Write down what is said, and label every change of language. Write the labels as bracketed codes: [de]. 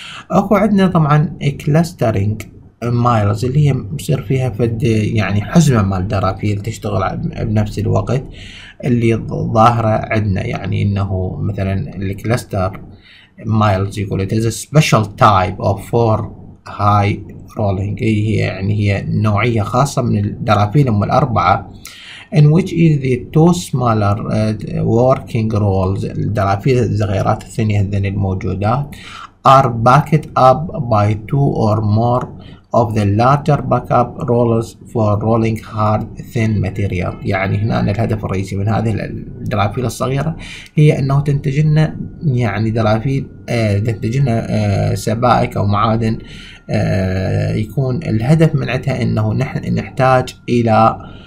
[ar] اكو عندنا طبعا كلاسترينج مايلز، اللي هي يصير فيها فد يعني حزمة مال درافيل تشتغل بنفس الوقت، اللي ظاهرة عندنا، يعني انه مثلا الكلاستر مايلز يقول [en] it is a special type of 4 [ar] هاي رولينج، هي يعني هي نوعية خاصة من الدرافيل أم الأربعة. [en] In which is the two smaller working rolls، [ar] الدرافيل الصغيرات الثانية هذين الموجودات، [en] are backed up by two or more of the larger backup rollers for rolling hard thin material. [ar] يعني هنا الهدف الرئيسي من هذه الدرافيل الصغيرة هي أنه تنتج لنا يعني درافيل تنتج لنا سبائك أو معادن يكون الهدف من عندها انه نحتاج الى